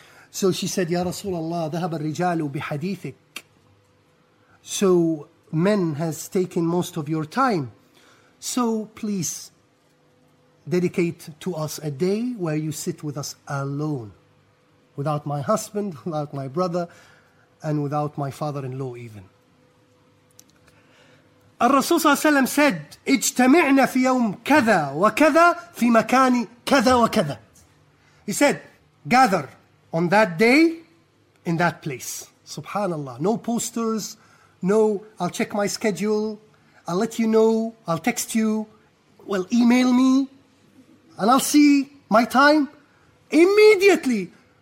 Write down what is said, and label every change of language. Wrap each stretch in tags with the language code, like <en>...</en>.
<en>So she said, Ya Rasulullah,</en> <ar>ذهب الرجال بحديثك.</ar> <en>So men has taken most of your time. So please dedicate to us a day where you sit with us alone, without my husband, without my brother, and without my father-in-law even.</en> <ar>الرسول صلى الله عليه وسلم</ar> <en>said,</en> <ar>اجتمعنا في يوم كذا وكذا في مكان كذا وكذا.</ar> <en>He said, gather on that day in that place. Subhanallah. No posters. No, I'll check my schedule. I'll let you know. I'll text you. Well, email me. And I'll see my time. Immediately.</en>